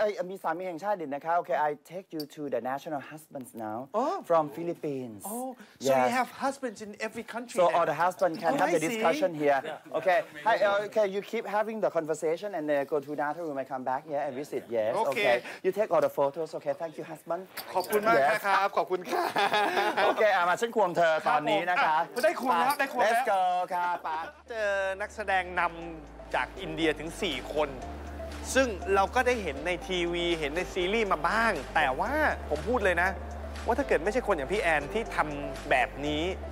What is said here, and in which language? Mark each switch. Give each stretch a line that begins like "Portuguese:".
Thai: มีสามีแห่งชาติดินนะคะ
English: okay I take you to the national husbands now from Philippines oh so you have husbands in every country so all the husbands can have the discussion here okay okay you keep having the conversation and then go to another room and come back yeah and visit yes okay you take all the photos okay thank you husband
Thai: ขอบคุณมากครับขอบคุณค่ะ โอเคมาฉันควงเธอตอนนี้นะคะ ได้ควงแล้วได้ควงแล้ว
English: let's go
Thai: ค่ะป๋า เจอนักแสดงนำจากอินเดียถึง4คนซึ่งเราก็ได้เห็นในทีวีเห็นในซีรีส์มาบ้างแต่ว่าผมพูดเลยนะว่าถ้าเกิดไม่ใช่คนอย่างพี่แอนที่ทำแบบนี้